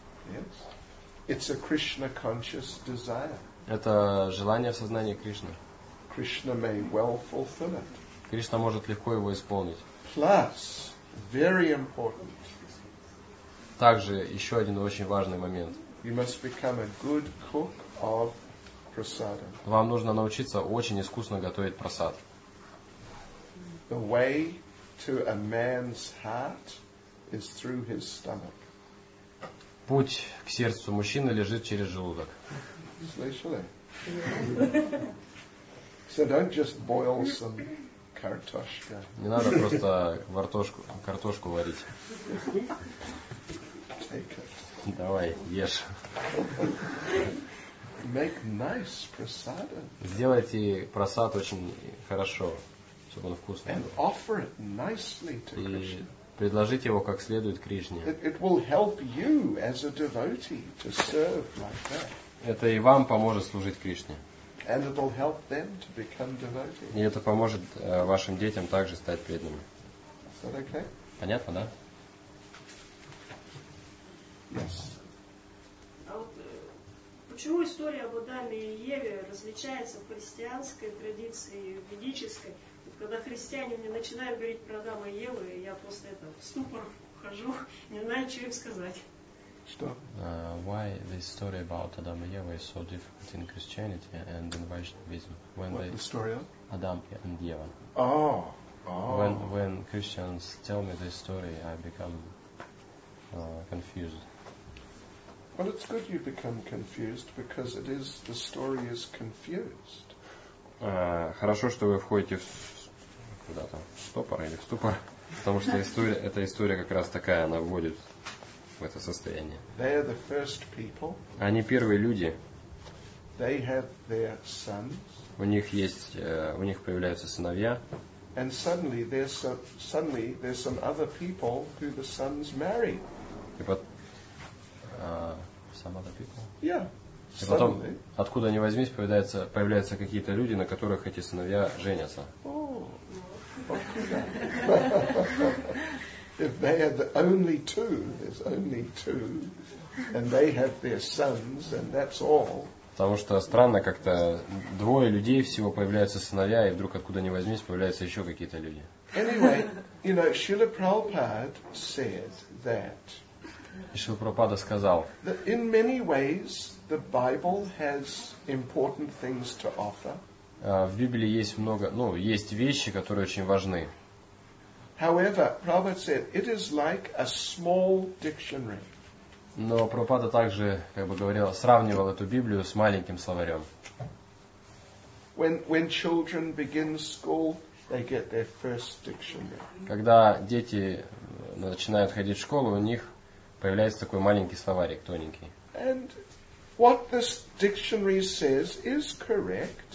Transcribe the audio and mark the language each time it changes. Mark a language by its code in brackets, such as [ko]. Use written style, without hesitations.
[en] Yes. It's a Krishna conscious desire. [ru] Это желание в сознании Кришны. [en] Krishna may well fulfill it. [ru] Кришна может легко его исполнить. [en] Plus. Very important. [ru] Также еще один очень важный момент. [en] You must become a good cook of prasada. [ru] Вам нужно научиться очень искусно готовить прасад. [en] The way to a man's heart is through his stomach. [ru] Путь к сердцу мужчины лежит через желудок. Слышали? [en] So don't just boil some картошка. [ru] Не надо просто картошку варить. Давай, ешь. [en] Make nice prasada. [ru] Сделайте прасад очень хорошо, чтобы он вкусный. [en] And offer it nicely to Krishna. [ru] И предложите его как следует Кришне. [en] It will help you as a devotee to serve like that. [ru] Это и вам поможет служить Кришне. [en] And it will help them to become devotees. [ru] И это поможет вашим детям также стать преданными. [en] Is that okay? [ru] Понятно, да? [en] Yes. [ru] Почему история об Адаме и Еве различается в христианской традиции и ведической? Вот когда христиане мне начинают говорить про Адама и Еву, я просто это в ступор вхожу, не знаю, что им сказать. Что? [en] Why this story about Adam and Eve is so difficult in Christianity and in Vaishnavism? When what the story of? Adam and Eve. Oh. Oh. When Christians tell me this story, I become confused. Well, it's good you become confused because it is the story is confused. [ru] Хорошо, что вы входите в куда-то в ступор или в ступор, потому что эта история как раз такая, она вводит в это состояние. [en] They are the first people. [ru] Они первые люди. [en] They have their sons. [ru] У них появляются сыновья. [en] And suddenly there's some other people who the sons marry. Some other people. Yeah. [ru] И потом, откуда ни возьмись, появляются какие-то люди, на которых эти сыновья женятся. Oh. [en] If they are the only two, there's only two, and they have their sons, and that's all. [ru] Потому что странно, как-то двое людей всего появляются сыновья, и вдруг откуда ни возьмись, появляются еще какие-то люди. [en] Anyway, you know, Srila Prabhupada said that. [ru] И Шрила Прабхупада сказал, [en] in many ways the Bible has important things to offer. [ru] В Библии есть много, ну, есть вещи, которые очень важны. [en] However, Prabhupada said, it is like a small dictionary. [ru] Но Прабхупада также, как бы говорил, сравнивал эту Библию с маленьким словарем. [en] When children begin school, they get their first dictionary. [ru] Когда дети начинают ходить в школу, у них появляется такой маленький словарик, тоненький.